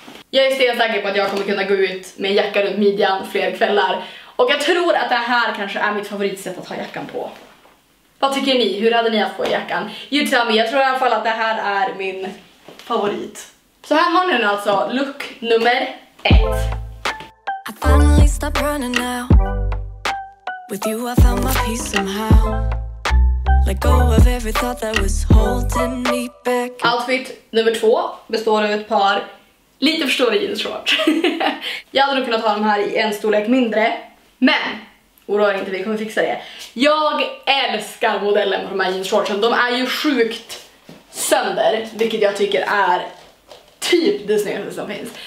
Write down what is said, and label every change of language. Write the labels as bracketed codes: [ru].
[sv] Jag är stensäker på att jag kommer kunna gå ut med jacka runt midjan fler kvällar. Och jag tror att det här kanske är mitt favoritsätt att ha jackan på. Vad tycker ni? Hur hade ni att få jackan? [en] You tell me, [sv] jag tror i alla fall att det här är min favorit. Så här har ni den alltså, look nummer 1. [en] I finally stopped running now. With you I found my peace somehow. Let go of every thought that was holding me back. [sv] Outfit nummer 2 består av ett par lite för stora jeansshorts. Jag hade nog kunnat ha dem här i en storlek mindre, men oroa inte, vi kommer fixa det. Jag älskar modellen på de här jeansshortsen. De är ju sjukt sönder, vilket jag tycker är typ det snyggaste som finns.